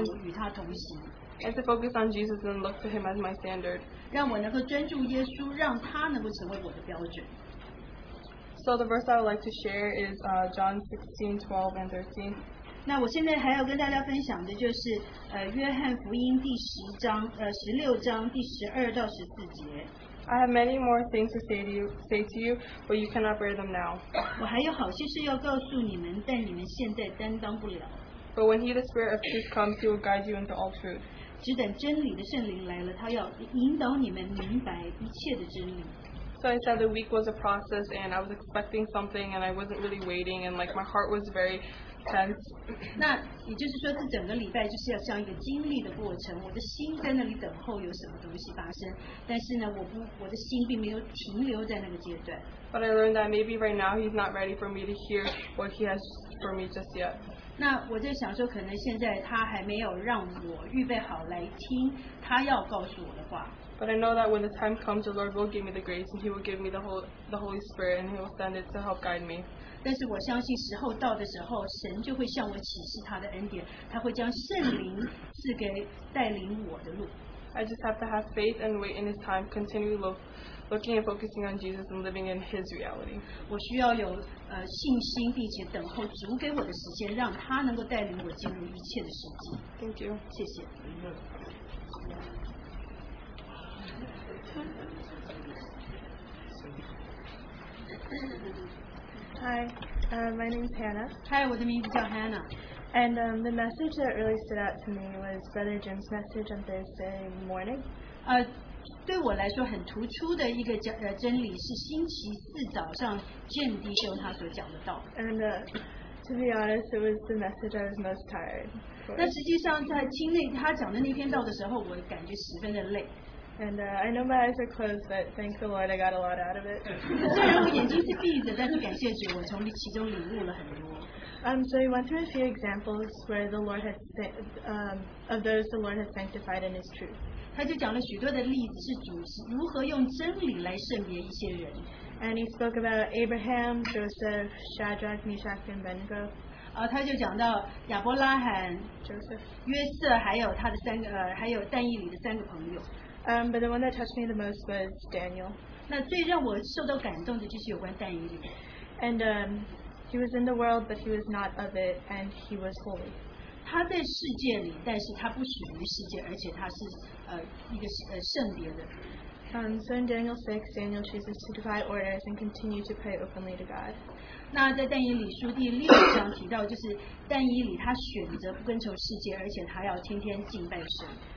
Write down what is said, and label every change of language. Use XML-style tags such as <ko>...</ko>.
<zh>但是主呢，要向我启示更多，他要我住在他的里面，让我与他同行。</zh> <en>And to focus on Jesus and look to Him as my standard.</en> <zh>让我能够专注耶稣，让他能够成为我的标准。</zh> <en>So the verse I would like to share is John 16:12-13.</en> <zh>那我现在还要跟大家分享的就是约翰福音第十章16章12到14节。</zh> <en>I have many more things to say to you, but you cannot bear them now.</en> <zh>我还有好些事要告诉你们，但你们现在担当不了。</zh> <en>But when He, the Spirit of Truth, comes, He will guide you into all truth.</en> <zh>只等真理的圣灵来了，他要引导你们明白一切的真理。</zh> <en>So I said the week was a process, and I was expecting something, and I wasn't really waiting, and like my heart was very tense.</en> <zh>那也就是说，这整个礼拜就是要像一个经历的过程。我的心在那里等候有什么东西发生，但是呢，我不，我的心并没有停留在那个阶段。</zh> <en>But I learned that maybe right now he's not ready for me to hear what he has for me just yet.</en> <zh>那我在想说，可能现在他还没有让我预备好来听他要告诉我的话。</zh> <en>But I know that when the time comes, the Lord will give me the grace, and He will give me the Holy Spirit, and He will send it to help guide me.</en> <zh>但是我相信时候到的时候，神就会向我启示他的恩典，他会将圣灵赐给带领我的路。</zh> <en>I just have to have faith and wait in His time, continue looking and focusing on Jesus and living in His reality.</en> <zh>我需要有信心，并且等候主给我的时间，让他能够带领我进入一切的时机。</zh> <en>Thank you.</en> <zh>谢谢。</zh> <en>Hi, my name is Hannah.</en> <zh>Hi, 我的名字叫 Hannah.</zh> <en>And the message that really stood out to me was Brother Jim's message on Thursday morning.</en> <zh>对我来说很突出的一个真理是星期四早上 Jim 弟兄他所讲的道。</zh> <en>And to be honest, it was the message I was most tired for.</en> <zh>但实际上在听那他讲的那篇道的时候，我感觉十分的累。</zh> <en>And I know my eyes are closed, but thank the Lord I got a lot out of it. So we went through a few examples where the Lord had of those the Lord has sanctified in His truth. And He spoke about Abraham, Joseph, Shadrach, Meshach, and Abednego.</en> <zh>他就讲到亚伯拉罕,</zh> <en>Joseph,</en> <zh>约瑟还有他的三个还有但以理的三个朋友。</zh> <en>But the one that touched me the most was Daniel.</en> <zh>那最让我受到感动的就是有关但以理。</zh> <en>And he was in the world, but he was not of it, and he was holy.</en> <zh>他在世界里，但是他不属于世界，而且他是一个圣别的。</zh> <en>So in Daniel 6, Daniel chooses to defy orders and continue to pray openly to God.</en> <zh>那在但以理书第六章提到，就是但以理他选择不跟从世界，而且他要天天敬拜神。</zh>